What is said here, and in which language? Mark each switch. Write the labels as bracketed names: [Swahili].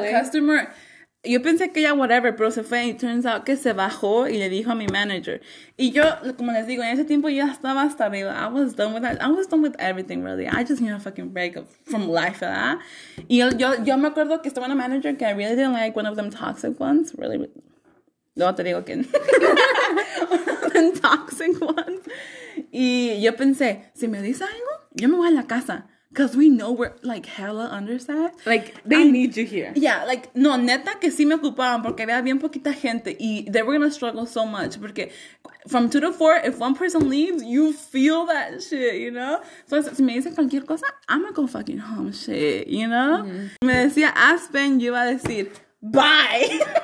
[Spanish] Y la customer, yo pensé que ya whatever, pero se fue. Y [English] turns out [Spanish] que se bajó y le dijo a mi manager. Y yo, como les digo, en ese tiempo ya estaba hasta arriba. [English] I was done with that. I was done with everything, really. I just need a fucking break from life, [Spanish] ¿verdad? Y yo me acuerdo que estaba en [English] a manager que I really didn't like, one of them toxic ones. Really, [Spanish] No, te digo quién. Un [English] toxic one. [Spanish] Y yo pensé, si me dice algo, yo me voy a la casa. [English] Because we know we're, like, hella undersized. Like, they need you here. [Spanish] Yeah, like, no, neta que sí me ocupaban porque había bien poquita gente. [English] Y they were going to struggle so much. Porque from 2 to 4, if one person leaves, you feel that shit, you know? So, [Spanish] si me dicen cualquier cosa, [English] I'm going to go fucking home shit, you know? [Spanish] Mm-hmm. Me decía Aspen, yo iba a decir, bye.